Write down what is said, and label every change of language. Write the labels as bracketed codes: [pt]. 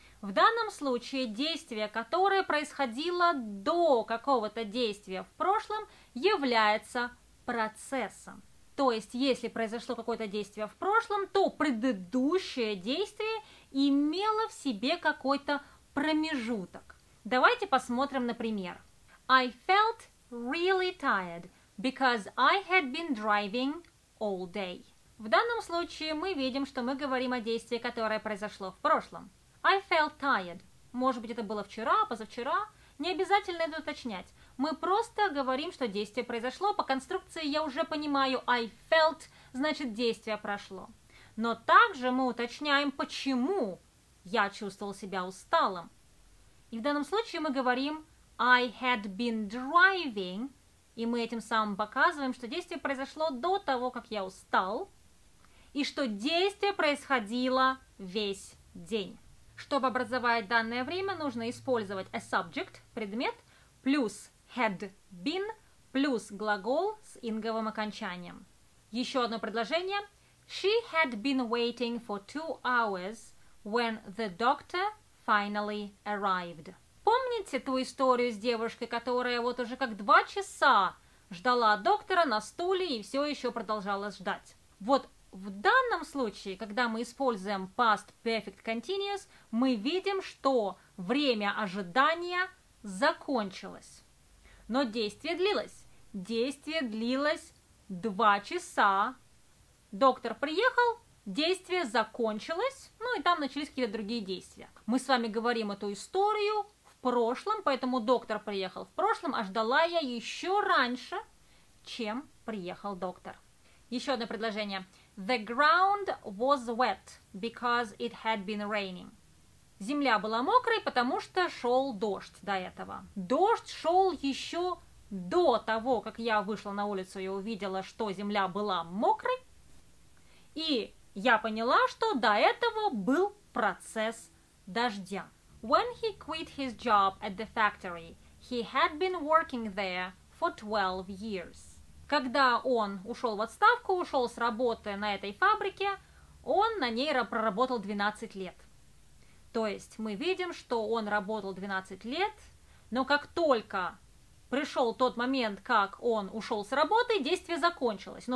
[ru] В данном случае действие, которое происходило до какого-то действия в прошлом, является процессом. То есть, если произошло какое-то действие в прошлом, то предыдущее действие имело в себе какой-то промежуток. Давайте посмотрим, например. [en] I felt really tired because I had been driving all day. [ru] В данном случае мы видим, что мы говорим о действии, которое произошло в прошлом. [en] I felt tired. [ru] Может быть, это было вчера, позавчера. Не обязательно это уточнять. Мы просто говорим, что действие произошло. По конструкции я уже понимаю I felt, значит, действие прошло. Но также мы уточняем, почему я чувствовал себя усталым. И в данном случае мы говорим I had been driving, и мы этим самым показываем, что действие произошло до того, как я устал, и что действие происходило весь день. Чтобы образовать данное время, нужно использовать a subject, предмет, плюс had been, плюс глагол с инговым окончанием. Еще одно предложение. [en] She had been waiting for 2 hours when the doctor finally arrived. [ru] Помните ту историю с девушкой, которая вот уже как 2 часа ждала доктора на стуле и все еще продолжала ждать? Вот в данном случае, когда мы используем past perfect continuous, мы видим, что время ожидания закончилось. Но действие длилось. Действие длилось 2 часа. Доктор приехал, действие закончилось, ну и там начались какие-то другие действия. Мы с вами говорим эту историю в прошлом, поэтому доктор приехал в прошлом, а ждала я еще раньше, чем приехал доктор. Еще одно предложение. [en] The ground was wet because it had been raining. [ru] Земля была мокрой, потому что шел дождь до этого. Дождь шел еще до того, как я вышла на улицу и увидела, что земля была мокрой. И я поняла, что до этого был процесс дождя. [en] When he quit his job at the factory, he had been working there for 12 years. [ru] Когда он ушел в отставку, ушел с работы на этой фабрике, он на ней проработал 12 лет. То есть мы видим, что он работал 12 лет, но как только пришел тот момент, как он ушел с работы, действие закончилось.